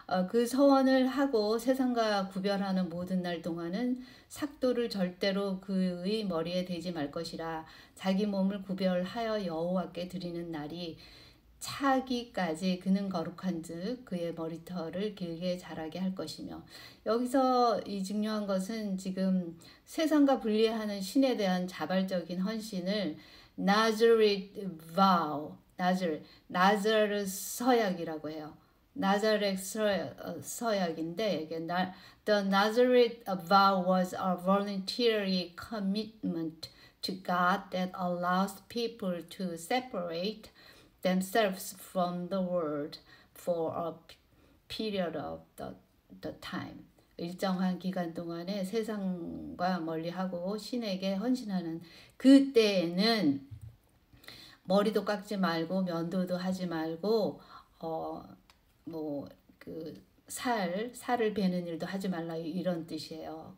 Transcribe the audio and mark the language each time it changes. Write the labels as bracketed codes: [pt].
[ko] 그 서원을 하고 세상과 구별하는 모든 날 동안은 삭도를 절대로 그의 머리에 대지 말 것이라 자기 몸을 구별하여 여호와께 드리는 날이 차기까지 그는 거룩한즉 그의 머리털을 길게 자라게 할 것이며 여기서 이 중요한 것은 지금 세상과 분리하는 신에 대한 자발적인 헌신을 Nazareth vow, Nazareth 서약이라고 해요. [en] Nazareth [ko] 서약인데 이게 [en] The Nazareth vow was a voluntary commitment to God that allows people to separate themselves from the world for a period of the time. [ko] 일정한 기간 동안에 세상과 멀리하고 신에게 헌신하는 그때에는 머리도 깎지 말고 면도도 하지 말고 뭐그 살을 베는 일도 하지 말라 이런 뜻이에요.